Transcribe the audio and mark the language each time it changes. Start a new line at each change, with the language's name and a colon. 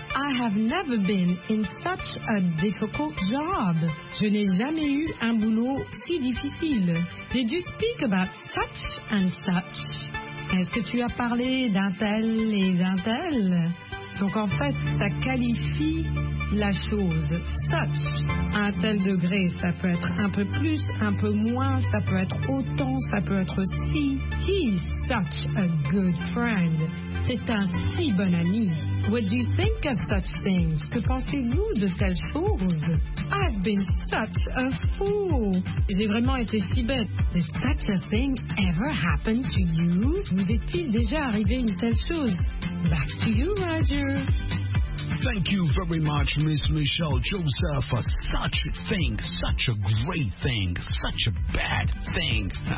English: I have never been in such a difficult job.
French: Je n'ai jamais eu un boulot si difficile.
English: Did you speak about such and such?
French: Est-ce que tu as parlé d'un tel et d'un tel? Donc en fait, ça qualifie la chose. Such, un tel degré, ça peut être un peu plus, un peu moins, ça peut être autant, ça peut être si.
English: He's such a good friend.
French: C'est un si bon ami.
English: What do you think of such things?
French: Que pensez-vous de telles choses?
English: I've been such a fool.
French: J'ai vraiment été si bête.
English: Did such a thing ever happen to you?
French: Vous est-il déjà arrivé une telle chose?
English: Back to you, Roger. Thank you very much, Miss Michelle Joseph, for such a thing, such a great thing, such a bad thing.